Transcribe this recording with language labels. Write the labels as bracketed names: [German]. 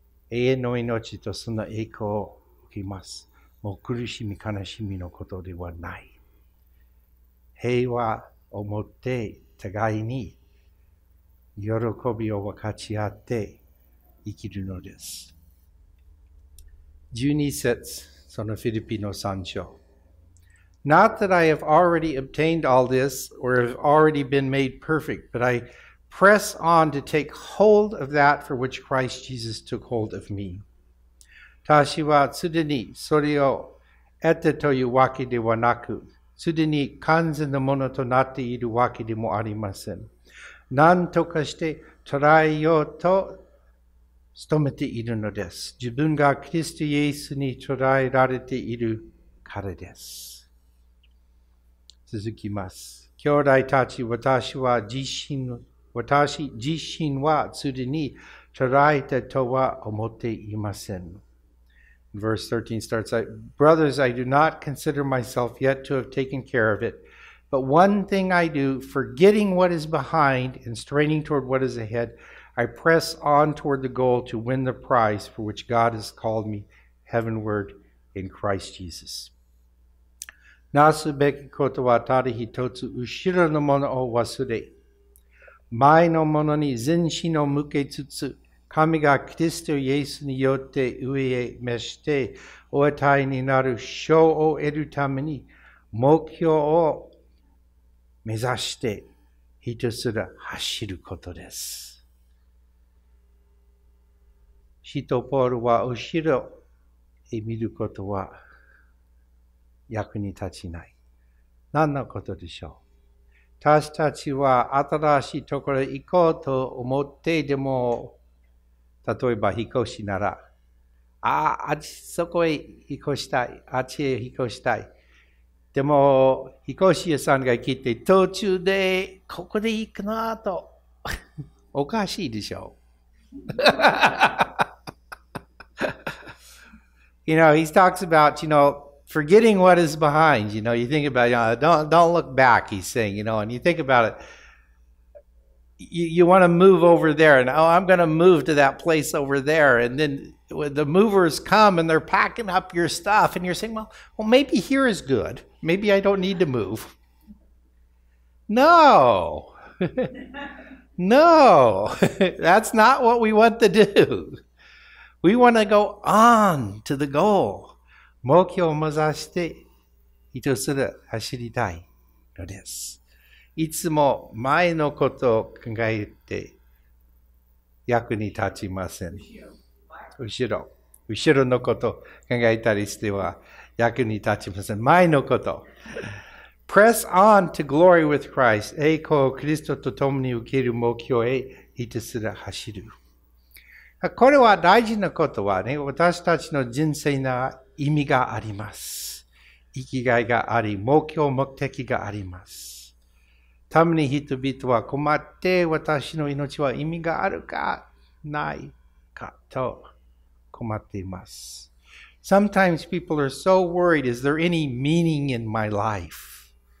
[Japanese] 永遠の命とその栄光を受けます。もう苦しみ悲しみのことではない。平和を持って互いに喜びを分かち合って生きるのです。 12節、そのフィリピの信徒。 [English] Not that I have already obtained all this, or have already been made perfect, but I press on to take hold of that for which Christ Jesus took hold of me. [Japanese] 私はすでにそれを得たというわけではなく、すでに完全なものとなっているわけでもありません。なんとかして捉えようと努めているのです。自分がキリストイエスに捉えられているからです。続きます。兄弟たち、私自身は既に捕らえたとは思っていません。 [English] Verse 13 starts out, Brothers, I do not consider myself yet to have taken care of it, but one thing I do, forgetting what is behind and straining toward what is ahead, I press on toward the goal to win the prize for which God has called me heavenward in Christ Jesus. [Japanese] なすべきことはただ一つ、後ろのものを忘れ、前のものに全身を向けつつ、神がキリストイエスによって上へ召してお与えになる賞を得るために目標を目指してひたすら走ることです。使徒ポールは後ろへ見ることは役に立ちない。何のことでしょう。私たちは新しいところへ行こうと思ってでも例えば引っ越しなら、あっちへ引っ越したい。でも、引っ越し屋さんが来て、途中でここで行くなと、おかしいでしょう。 [English] You know, he talks about, you know, forgetting what is behind. You know, you think about, you know, don't look back, he's saying, you know, and you think about it. You want to move over there, and oh, I'm going to move to that place over there. And then when the movers come and they're packing up your stuff, and you're saying, well, maybe here is good. Maybe I don't need to move. No. No. That's not what we want to do. We want to go on to the goal. [Japanese] 目標を目指して、ひとつで走りたいのです。いつも前のことを考えて役に立ちません。後ろのことを考えたりしては役に立ちません。前のこと。 [English] Press on to glory with Christ. [Japanese] 栄光をキリストと共に受ける目標へひたすら走る。これは大事なことはね、私たちの人生には意味があります。生きがいがあり、目標目的があります。ために人々は困って私の命は意味があるかないかと困っています。 [English] Sometimes people are so worried, is there any meaning in my life?